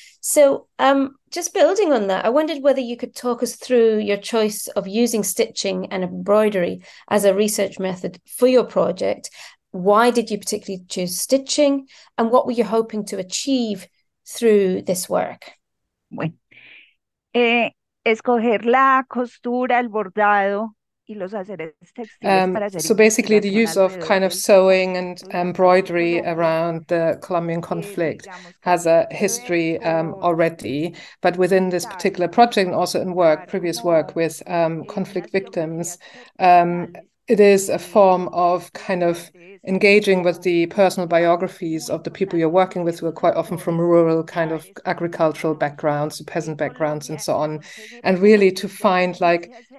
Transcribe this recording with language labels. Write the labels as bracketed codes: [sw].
[en] So just building on that, I wondered whether you could talk us through your choice of using stitching and embroidery as a research method for your project. Why did you particularly choose stitching, and what were you hoping to achieve through this work? [es] Escoger la costura, el bordado y los haceres textiles. [en] So basically the use of kind of sewing and embroidery around the Colombian conflict has a history already, but within this particular project and also in work, previous work with conflict victims, it is a form of kind of engaging with the personal biographies of the people you're working with, who are quite often from rural kind of agricultural backgrounds, peasant backgrounds and so on, and really to find like